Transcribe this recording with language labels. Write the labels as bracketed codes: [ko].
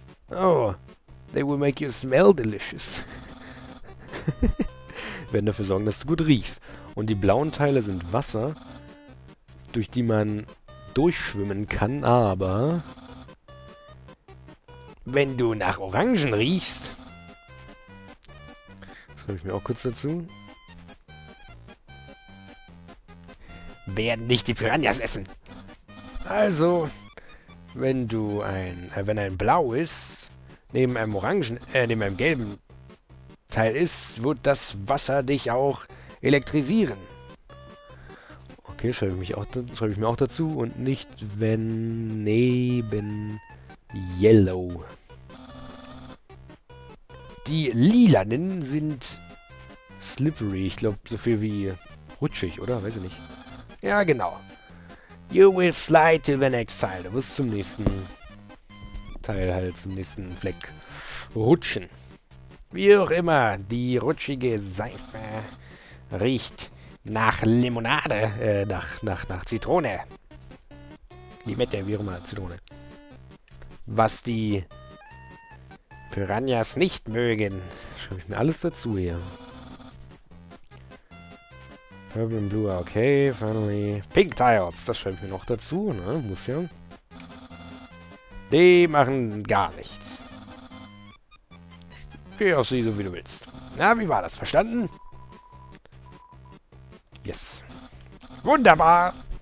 [en] Oh, they will make you smell delicious. [de] Werden dafür sorgen, dass du gut riechst. Und die blauen Teile sind Wasser, durch die man durchschwimmen kann, aber wenn du nach Orangen riechst, schreibe ich mir auch kurz dazu, werden dich die Piranhas essen. Also, wenn du ein, wenn ein blau ist, neben einem Orangen, neben einem gelben Teil ist, wird das Wasser dich auch elektrisieren. Okay, schreibe ich mir auch dazu. Und nicht, wenn neben Yellow. Die lilanen sind slippery. Ich glaube, so viel wie rutschig, oder? Weiß ich nicht. Ja, genau. [en] You will slide to the next tile. [de] Du wirst zum nächsten Teil halt, zum nächsten Fleck rutschen. Wie auch immer, die rutschige Seife riecht nach Limonade, nach Zitrone. Limette, wie auch immer, Zitrone. Was die Piranhas nicht mögen. Schreibe ich mir alles dazu hier. [en] Purple and Blue, okay, finally. [de] Pink Tiles, das schreibe ich mir noch dazu, ne, muss ja. Die machen gar nichts. Geh auf sie, so wie du willst. Na, wie war das? Verstanden? [en] Yes. [de] Wunderbar!